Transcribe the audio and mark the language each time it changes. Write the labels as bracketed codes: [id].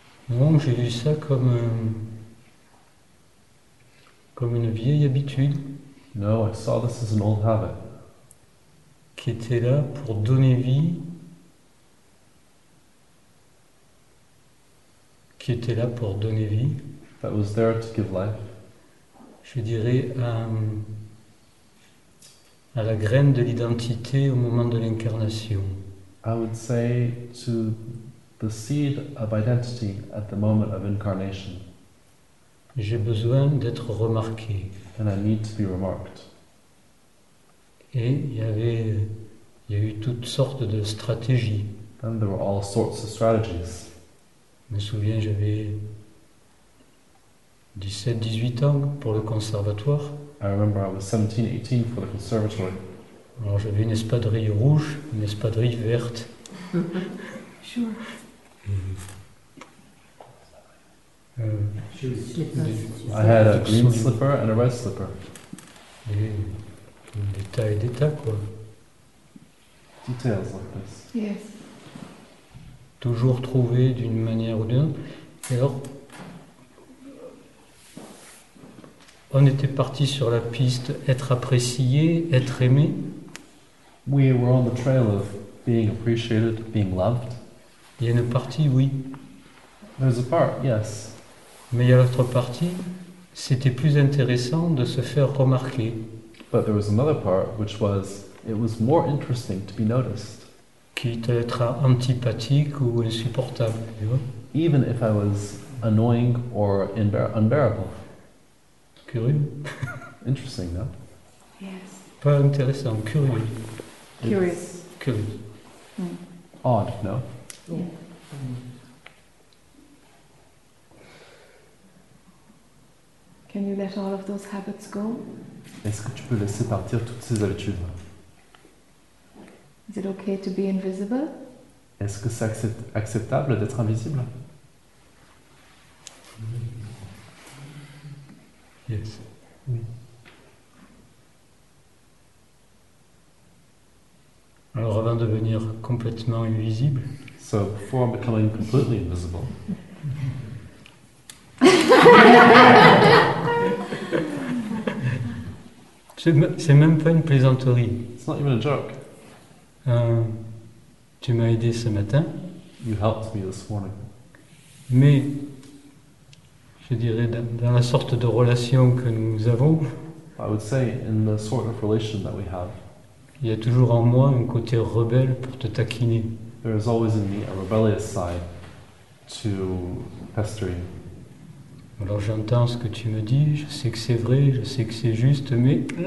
[fr] Non, j'ai vu ça comme une vieille habitude. [en] No, I saw this as an old habit. [fr] Qui était là pour donner vie. Qui était là pour donner vie. [en] That was there to give life. [fr] Je dirais à la graine de l'identité au moment de l'incarnation. [en] I would say to the seed of identity at the moment of incarnation. [fr] J'ai besoin d'être remarqué. [en] And I need to be remarked. [fr] Et il y a eu toutes sortes de stratégies. [en] And there were all sorts of strategies. [fr] Je me souviens, j'avais 17-18 ans pour le conservatoire. [en] I remember I was 17-18 for the conservatory. [fr] Alors j'avais une espadrille rouge, une espadrille verte. [en] Sure. I had a green slipper and a red slipper. [fr] Des tas et des tas, quoi. [en] details like this. Yes. [fr] Toujours trouver d'une manière ou d'une autre. Et alors, on était parti sur la piste être apprécié, être aimé. [en] We were on the trail of being appreciated, being loved. [fr] Il y a une partie, oui. [en] There's a part, yes. [fr] Mais il y a l'autre partie, c'était plus intéressant de se faire remarquer. [en] But there was another part, which was, it was more interesting to be noticed. [fr] Quitte à être antipathique ou insupportable, tu vois. [en] Even if I was annoying or unbearable. [fr] Curieux. [en] Interesting, no? Yes. [fr] Pas intéressant, curieux. [en] Curious. Curious. Mm. Odd, no? Yeah. Can you let all of those habits go? [fr] Est-ce que tu peux laisser partir toutes ces habitudes? [en] Is it okay to be invisible? [fr] Est-ce que c'est acceptable d'être invisible? [en] Yes. [fr] Oui. Alors avant de devenir complètement invisible. [en] So before I'm becoming completely invisible. [fr] C'est même pas une plaisanterie. [en] It's not even a joke. [fr] Tu m'as aidé ce matin. [en] You helped me this morning. [fr] Mais, je dirais, dans la sorte de relation que nous avons, [en] I would say in the sort of relation that we have, [fr] il y a toujours en moi un côté rebelle pour te taquiner. [en] There is always in me a rebellious side to pester you. [fr] Alors j'entends ce que tu me dis, je sais que c'est vrai, je sais que c'est juste, mais...